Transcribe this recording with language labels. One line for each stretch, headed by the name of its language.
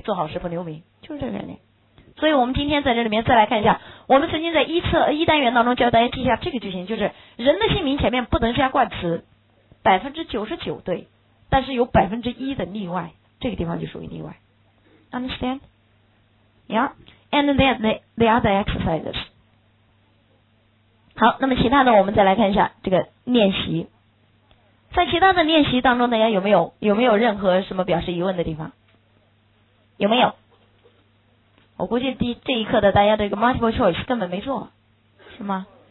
Chinese: 做好事不留名，就是这个概念。所以我们今天在这里面再来看一下，我们曾经在一单元当中教大家记下这个句型，就是人的姓名前面不能加冠词，99%对，但是有百分之一的例外，这个地方就属于例外。
English: Understand? Yeah. And then the other exercises.
Chinese: 好，那么其他的我们再来看一下这个练习。在其他的练习当中，大家有没有任何什么表示疑问的地方？有没有？我估计这一课的大家这个 multiple choice 根本没做，是吗？